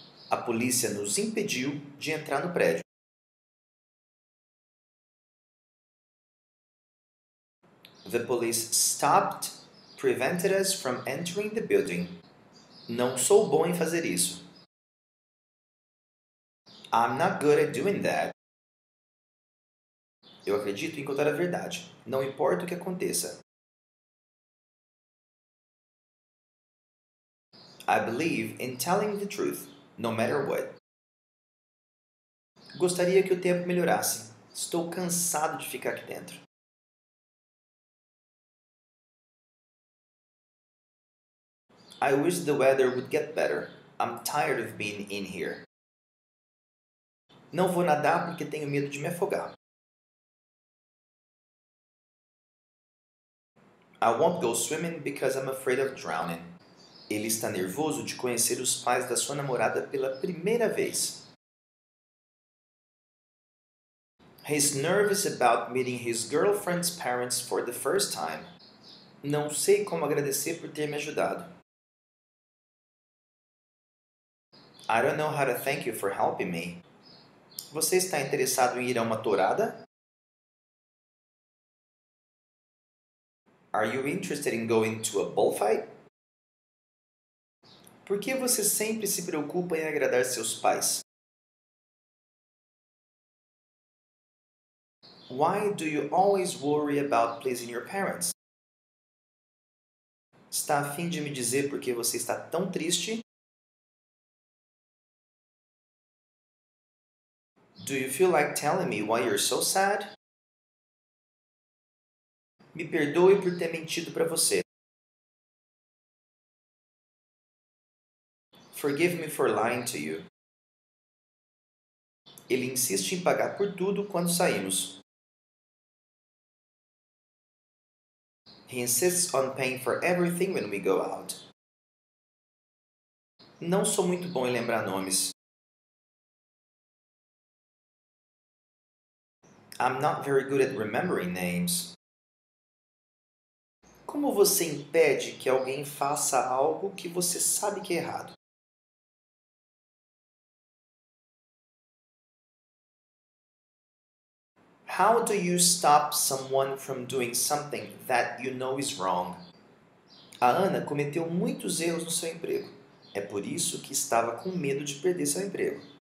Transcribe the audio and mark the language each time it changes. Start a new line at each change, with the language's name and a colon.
Portuguese: A polícia nos impediu de entrar no prédio.
English: The police stopped, prevented us from entering the building.
Portuguese: Não sou bom em fazer isso.
English: I'm not good at doing that.
Portuguese: Eu acredito em contar a verdade, não importa o que aconteça.
English: I believe in telling the truth, no matter what.
Portuguese: Gostaria que o tempo melhorasse. Estou cansado de ficar aqui dentro.
English: I wish the weather would get better. I'm tired of being in here.
Portuguese: Não vou nadar porque tenho medo de me afogar.
English: I won't go swimming because I'm afraid of drowning.
Portuguese: Ele está nervoso de conhecer os pais da sua namorada pela primeira vez.
English: He's nervous about meeting his girlfriend's parents for the first time.
Portuguese: Não sei como agradecer por ter me ajudado.
English: I don't know how to thank you for helping me.
Portuguese: Você está interessado em ir a uma tourada?
English: Are you interested in going to a bullfight?
Portuguese: Por que você sempre se preocupa em agradar seus pais?
English: Why do you always worry about pleasing your parents?
Portuguese: Está a fim de me dizer por que você está tão triste?
English: Do you feel like telling me why you're so sad?
Portuguese: Me perdoe por ter mentido para você.
English: Forgive me for lying to you.
Portuguese: Ele insiste em pagar por tudo quando saímos.
English: He insists on paying for everything when we go out.
Portuguese: Não sou muito bom em lembrar nomes.
English: I'm not very good at remembering names.
Portuguese: Como você impede que alguém faça algo que você sabe que é errado?
English: How do you stop someone from doing something that you know is wrong?
Portuguese: A Ana cometeu muitos erros no seu emprego. É por isso que estava com medo de perder seu emprego.